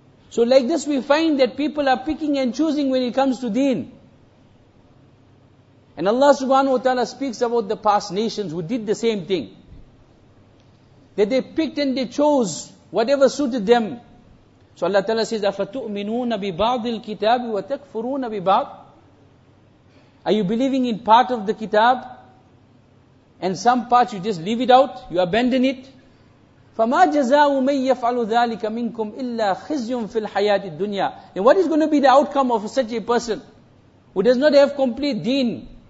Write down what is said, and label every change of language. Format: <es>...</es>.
<en>So like this we find that people are picking and choosing when it comes to deen. And Allah subhanahu wa ta'ala speaks about the past nations who did the same thing. That they picked and they chose whatever suited them. So Allah ta'ala says,</en> <ar>أَفَتُؤْمِنُونَ بِبَعْضِ الْكِتَابِ وَتَكْفُرُونَ بِبَعْضِ.</ar> <en>Are you believing in part of the kitab? And some parts you just leave it out, you abandon it?</en> <ar>فَمَا جَزَاءُ مَنْ يَفْعَلُ ذَٰلِكَ مِنْكُمْ إِلَّا خِزْيٌ فِي الْحَيَاةِ الدُّنْيَا.</ar> <en>And what is going to be the outcome of such a person who does not have complete deen?</en>